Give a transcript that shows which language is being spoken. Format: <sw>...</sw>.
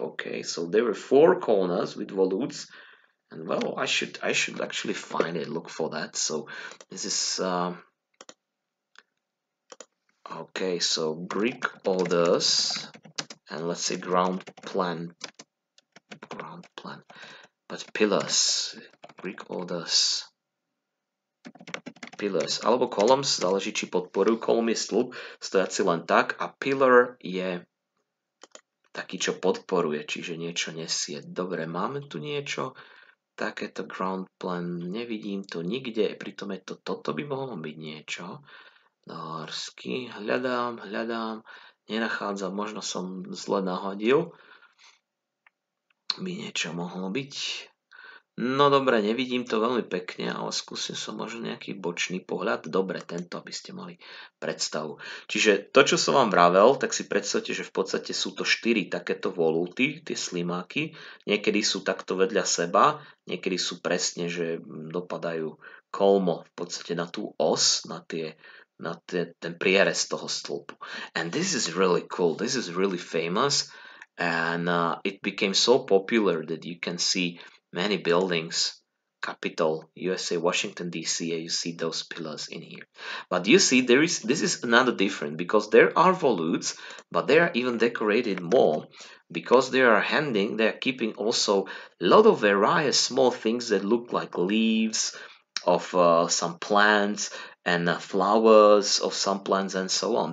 <en>Okay, so there were four corners with volutes, and well, I should actually find it, look for that. So this is okay. So Greek orders, and let's say ground plan. But pillars, Greek orders, pillars,</en> <sk>alebo columns, záleží, či podporujú kolmy, stĺp, stojaci len tak, a pillar je taký, čo podporuje, čiže niečo nesie. Dobre, máme tu niečo, takéto ground plan, nevidím to nikde, pritom je to, toto by mohlo byť niečo. Norsky, hľadám, nenachádzam, možno som zle nahodil. By niečo mohlo byť. No dobre, nevidím to veľmi pekne, ale skúsim som možno nejaký bočný pohľad. Dobre, tento, aby ste mali predstavu. Čiže to, čo som vám vravel, tak si predstavte, že v podstate sú to 4 takéto voluty, tie slimáky. Niekedy sú takto vedľa seba, niekedy sú presne, že dopadajú kolmo v podstate na tú os, na ten prierez toho stĺpu.</sk> <en>And this is really cool, this is really famous. And it became so popular that you can see many buildings, Capitol, USA, Washington, D.C., and you see those pillars in here. But you see, this is another different, because there are volutes, but they are even decorated more, because they are keeping also a lot of various small things that look like leaves of some plants, and flowers of some plants, and so on.</en>